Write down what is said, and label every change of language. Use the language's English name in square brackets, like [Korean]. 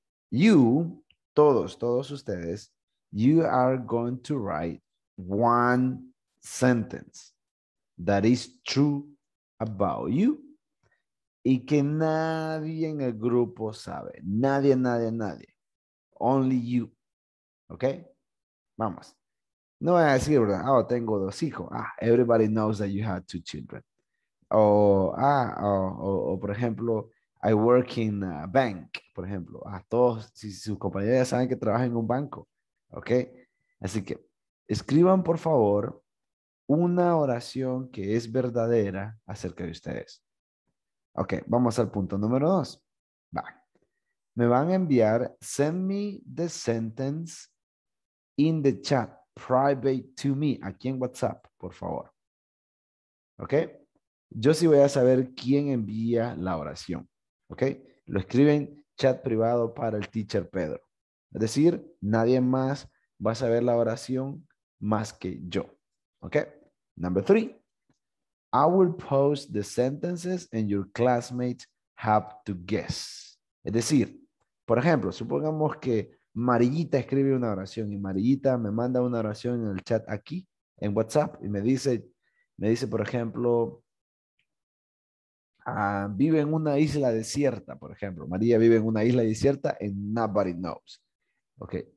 [English] You, [Spanish] todos ustedes, [English] you are going to write one sentence that is true about you [Spanish] y que nadie en el grupo sabe. Nadie. [English] Only you. ¿Ok? [Spanish] Vamos. No voy a decir, ¿verdad? Oh, tengo dos hijos. [English] Ah, everybody knows that you have two children. [Spanish] O por ejemplo, [English] I work in a bank, [Spanish] por ejemplo. Ah, todos, si sus compañeros ya saben que trabajan en un banco. ¿Ok? Así que escriban, por favor, una oración que es verdadera acerca de ustedes. Ok, vamos al punto número 2. Va. Me van a enviar, [English] send me the sentence in the chat, private to me, [Spanish] aquí en WhatsApp, por favor. Ok. Yo sí voy a saber quién envía la oración. ¿Ok? Lo escriben chat privado para el teacher Pedro. Es decir, nadie más va a saber la oración más que yo. [English] ¿Ok? Number 3. I will post the sentences and your classmates have to guess. [Spanish] Es decir, por ejemplo, supongamos que Marillita escribe una oración y Marillita me manda una oración en el chat aquí, en WhatsApp, y me dice, por ejemplo, vive en una isla desierta, por ejemplo. María vive en una isla desierta [English] and nobody knows. [Spanish] Ok.